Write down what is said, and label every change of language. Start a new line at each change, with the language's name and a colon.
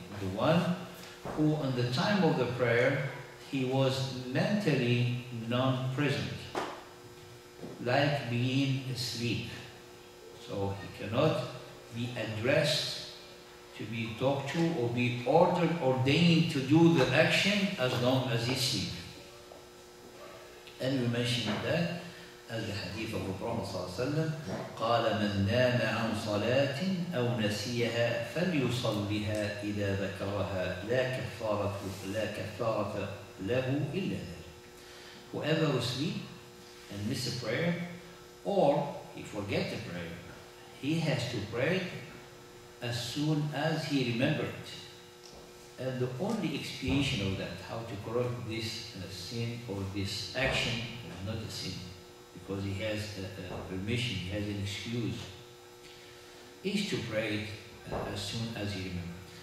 English: The one who on the time of the prayer, he was mentally non-present, like being asleep. So he cannot be addressed to be talked to or be ordered, ordained to do the action as long as he sleeps. And we mentioned that as the hadith of the Prophet ﷺ,
Arabic: قَالَ مَنْ نَامَ عَنْ صَلَاةٍ أَوْ نَسِيَهَا فَلْيُصَلِّهَا إِذَا ذَكَرَهَا لَا كَفَّارَةَ لَهُ إِلَّا ذَلِكَ.
English: Whoever will sleep and miss a prayer, or he forget the prayer, he has to pray as soon as he remembered. And the only expiation of that, how to correct this sin or this action, not a sin, because he has a permission, he has an excuse, is to pray it as soon as he remembered.